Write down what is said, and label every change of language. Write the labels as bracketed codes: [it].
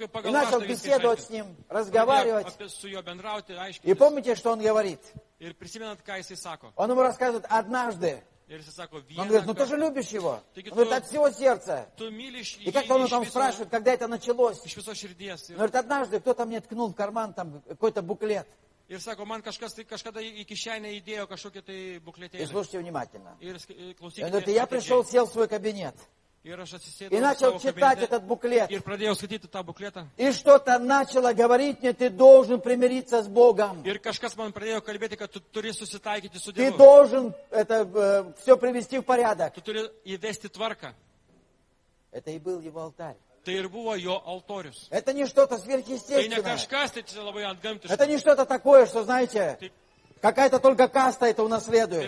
[ru] и начал беседовать с ним, разговаривать. И помните, что он говорит? Он ему рассказывает однажды. Он говорит, ну ты же любишь его. Он говорит, от всего сердца. И как он там спрашивает, когда это началось? Он говорит, однажды кто-то мне ткнул в карман там какой-то буклет. [lt] Ir sako, man kažkas tai kažkada į kišenę įdėjo kažkokį tai bukletėlį. [ru] Ir slušti внимательно. [lt] Ir klausykite. [ru] Он говорит, я пришел, сел в свой кабинет. [lt] Ir aš atsisėdau. [ru] И начал читать этот буклет. [lt] Ir pradėjau skaityti tą bukletą. [ru] И что-то начало говорить мне, ты должен примириться с Богом. [lt] Ir kažkas man pradėjo kalbėti, kad tu turi susitaikyti su Dievu. [ru] Ты должен это все привести в порядок. [lt] Tu turi įvesti tvarką. [ru] Это и был его алтарь. [lt] Tai ir buvo jo altorius. [ru] Это не что-то сверхъестественное. Это не кашкас, это [lt] labai antgamtiško. [ru] Это не что-то такое, что, знаете, какая-то только каста это унаследует.